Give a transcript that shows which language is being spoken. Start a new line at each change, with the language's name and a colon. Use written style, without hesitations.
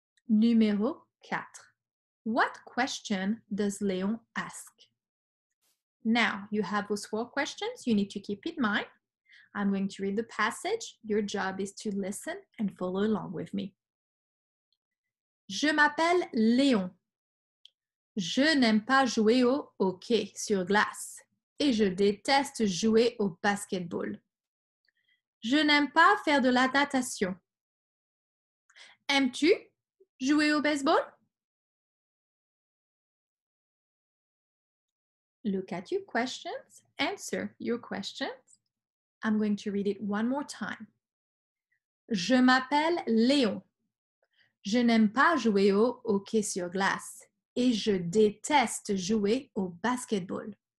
French: Numéro 4.
English: What question does Léon ask? Now, you have those four questions you need to keep in mind. I'm going to read the passage. Your job is to listen and follow along with me.
French: Je m'appelle Léon. Je n'aime pas jouer au hockey sur glace. Et je déteste jouer au basketball. Je n'aime pas faire de la natation. Aimes-tu jouer au baseball?
English: Look at your questions. Answer your questions. I'm going to read it one more time.
French: Je m'appelle Léon. Je n'aime pas jouer au hockey sur glace et je déteste jouer au basketball.